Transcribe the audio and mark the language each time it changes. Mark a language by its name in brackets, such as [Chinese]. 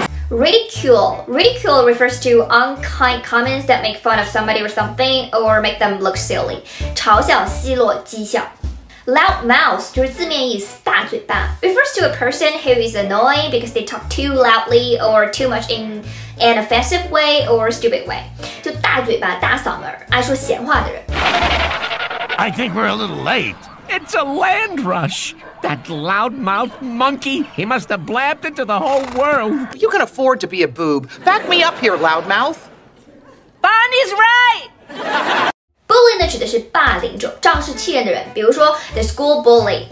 [English] Ridicule. Ridicule refers to unkind comments that make fun of somebody or something or make them look silly. [Chinese] 嘲笑、奚落、讥笑。 [English] Loudmouth [Chinese] 就是字面意思大嘴巴 [English] refers to a person who is annoying because they talk too loudly or too much in an offensive way or stupid way. [Chinese] 就大嘴巴、大嗓门、爱说闲话的人。 [English] I think we're a little late. It's a land rush. That loudmouth monkey, he must have blabbed into the whole world. You can afford to be a boob. Back me up here, loudmouth. Bonnie's right! [Chinese] Bully 呢指的是霸凌者，仗势欺人的人，比如说 [English] the school bully.